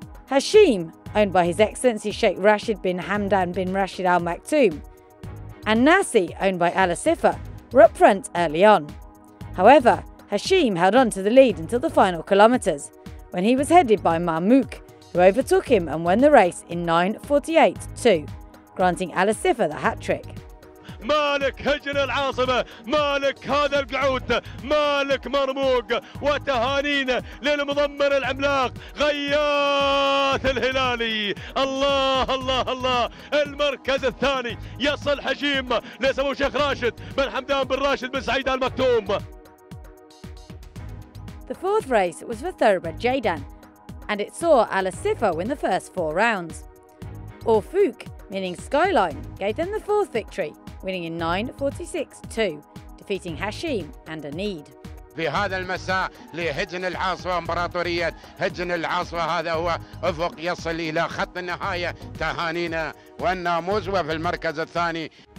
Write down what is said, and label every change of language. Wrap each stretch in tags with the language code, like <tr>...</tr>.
<en>Hashim, owned by His Excellency Sheikh Rashid bin Hamdan bin Rashid Al Maktoum, and Nasi, owned by Al Asifa, were up front early on. However, Hashim held on to the lead until the final kilometres, when he was headed by Mamouk, who overtook him and won the race in 9:48.2, granting Al Asifa the hat-trick.</en> <ar>مالك هجن العاصمة مالك هذا القعود مالك مرموق وتهانينا للمضمر العملاق غياث الهلالي الله الله الله المركز الثاني يصل هشيم لسمو الشيخ راشد بن حمدان بن راشد بن سعيد آل مكتوم.</ar> <en>The fourth race was for Thoroughbred Jaydan and it saw Al Asifa win the first 4 rounds. Orfuk, meaning skyline, gave them the fourth victory, winning in 9:46.2, defeating Hashim and Anid.</en> <ar>في هذا المساء لهجن العاصفة امبراطورية هجن العاصفة هذا هو افق يصل الى خط النهاية تهانينا والناموس وفي المركز الثاني.</ar>